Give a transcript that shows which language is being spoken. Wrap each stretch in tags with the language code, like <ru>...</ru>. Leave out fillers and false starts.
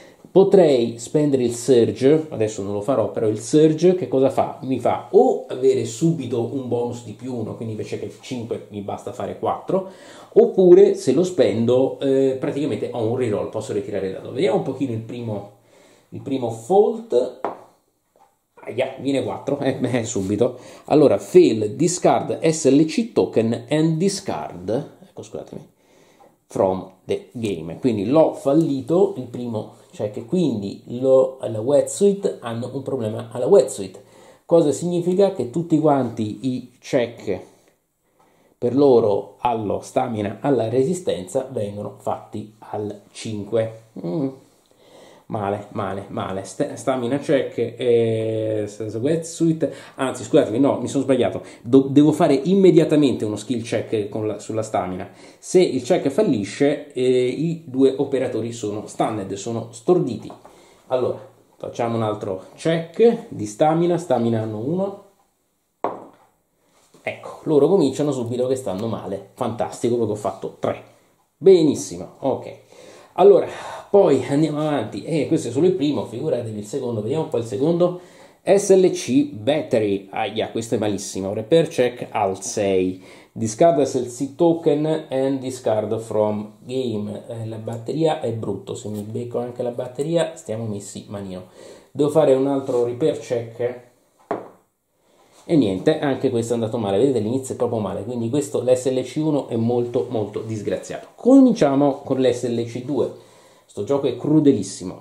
<it>Potrei spendere il Surge, adesso non lo farò, però il Surge che cosa fa? Mi fa o avere subito un bonus di più 1, quindi invece che 5 mi basta fare 4, oppure se lo spendo praticamente ho un reroll, posso ritirare il dado. Vediamo un pochino il primo fault. Viene 4, subito. Allora,</it> <en>fail, discard SLC token and discard,</en> <it>ecco, scusatemi,</it> <en>from the game.</en> <it>Quindi l'ho fallito il primo check, quindi la wetsuit hanno un problema alla wetsuit. Cosa significa? Che tutti quanti i check per loro allo stamina, alla resistenza, vengono fatti al 5. Male, male, male. Stamina check e sweat suit. Anzi, scusatemi, no, mi sono sbagliato. Devo fare immediatamente uno skill check sulla stamina. Se il check fallisce, i due operatori sono stunned, sono storditi. Allora, facciamo un altro check di stamina. Stamina hanno uno. Ecco, loro cominciano subito che stanno male. Fantastico, perché ho fatto tre. Benissimo, ok. Allora, poi andiamo avanti. Questo è solo il primo, figuratevi il secondo, vediamo un po' il secondo. SLC Battery, ahia, questo è malissimo. Repair check al 6.</it> <en>Discard SLC token and discard from game.</en> <it>La batteria è brutto, se mi becco anche la batteria, stiamo messi manino. Devo fare un altro repair check. E niente, anche questo è andato male. Vedete, l'inizio è proprio male. Quindi questo, l'SLC1, è molto molto disgraziato. Cominciamo con l'SLC2. Sto gioco è crudelissimo.</it>